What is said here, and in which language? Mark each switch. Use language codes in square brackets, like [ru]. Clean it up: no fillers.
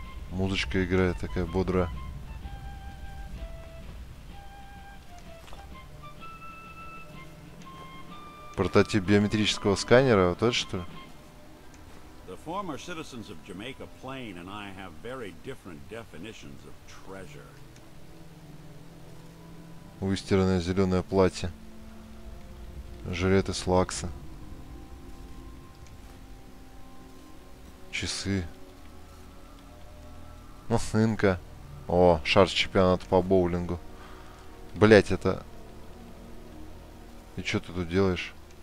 [ru] Музычка играет такая бодрая. Прототип биометрического сканера, вот это что ли? [en] The former citizens of Jamaica Plain and I have very different definitions of treasure. [ru] Выстиранное зеленое платье. Жилет из лакса. Часы. Ну, сынка. О, шар чемпионата по боулингу. Блять, это... И что ты тут делаешь?